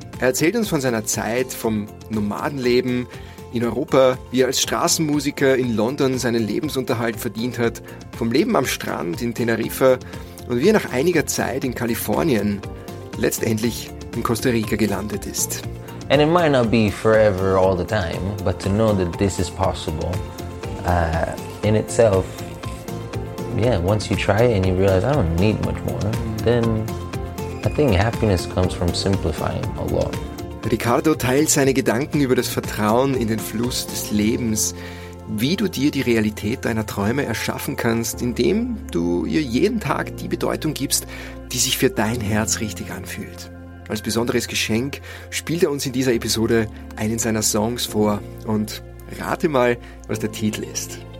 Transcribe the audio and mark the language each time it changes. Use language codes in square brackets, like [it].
[de] Er erzählt uns von seiner Zeit, vom Nomadenleben in Europa, wie er als Straßenmusiker in London seinen Lebensunterhalt verdient hat, vom Leben am Strand in Teneriffa und wie er nach einiger Zeit in Kalifornien letztendlich in Costa Rica gelandet ist. [en] And it might not be forever all the time, but to know that this is possible in itself, yeah, once you try it and you realize I don't need much more, then I think happiness comes from simplifying a lot. [de] Riccardo teilt seine Gedanken über das Vertrauen in den Fluss des Lebens, wie du dir die Realität deiner Träume erschaffen kannst, indem du ihr jeden Tag die Bedeutung gibst, die sich für dein Herz richtig anfühlt. Als besonderes Geschenk spielt er uns in dieser Episode einen seiner Songs vor, und rate mal, was der Titel ist.